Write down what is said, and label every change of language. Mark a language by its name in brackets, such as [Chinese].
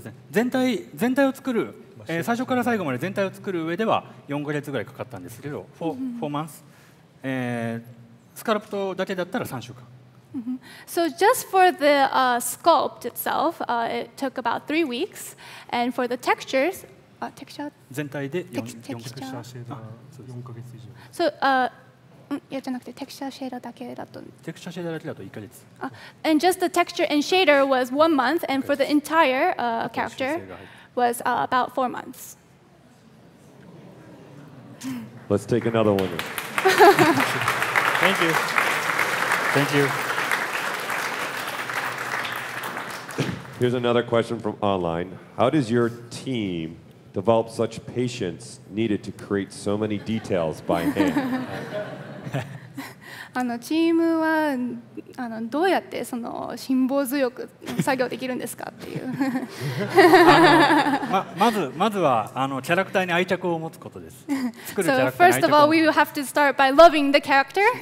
[Japanese] 全体を作る、最初から最後まで全体を作る上では4ヶ月ぐらいかかったんですけど、 [English] 4months、 [Japanese] スカルプトだけだったら3週間。 [English] So just for the sculpt itself, it took about 3 weeks, and for the textures, texture? [Japanese] 全体で 4ヶ月以上。いやじゃなくてテクスチャーシェーダーだけだと。テクスチャーシェーダーだけだと1ヶ月。 [English] And just the texture and shader was 1 month, and for the entire character was about 4 months. Let's take another one. Thank you. Thank you. Here's another question from online. How does your team develop such patience needed to create so many details by hand? [Japanese] チームはどうやってその辛抱強く作業できるんですかっていうまずはキャラクターに愛着を持つことです。 [English] So first of all, we have to start by loving the character.